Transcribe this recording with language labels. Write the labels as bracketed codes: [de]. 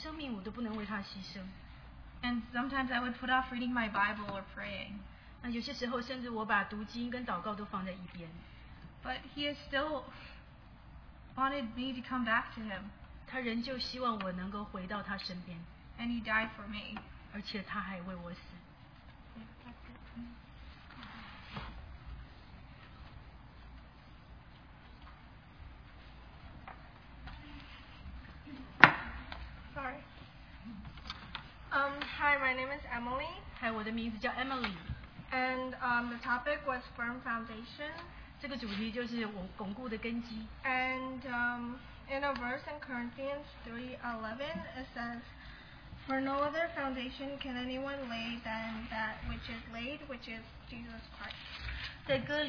[zh] 他为我做了许多，但是我甚至连我自己的生命我都不能为他牺牲。 [en] And sometimes I would put off reading my Bible or praying. [zh] 那有些时候，甚至我把读经跟祷告都放在一边。 [en] But he still wanted me to come back to him. [zh] 他仍旧希望我能够回到他身边。 [en] And he died for me. [zh] 而且他还为我死。 [en] Sorry. Hi, my name is Emily. [zh] Hi, 我的名字叫 Emily. [en] And the topic was firm foundation. [zh] 这个主题就是巩固的根基. [en] And in a verse in Corinthians 3:11, it says, "For no other foundation can anyone lay than that which is laid, which is Jesus Christ."